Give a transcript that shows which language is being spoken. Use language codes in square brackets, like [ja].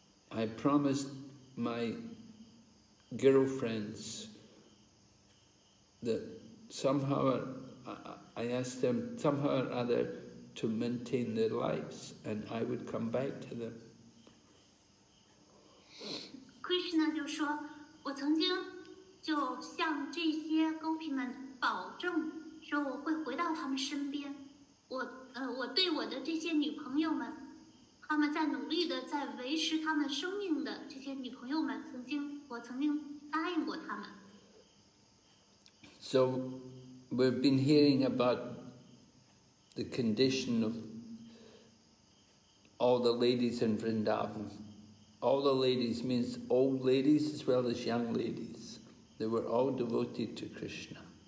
[en] I promised my girlfriends that somehow I asked them somehow or other to maintain their lives, and I would come back to them. [zh] Krishna 就说，我曾经就向这些gopi们保证，说我会回到他们身边。我对我的这些女朋友们，他们在努力的在维持他们生命的这些女朋友们，曾经答应过他们。 [en] So we've been hearing about the condition of all the ladies in Vrindavan. All the ladies means old ladies as well as young ladies. They were all devoted to Krishna.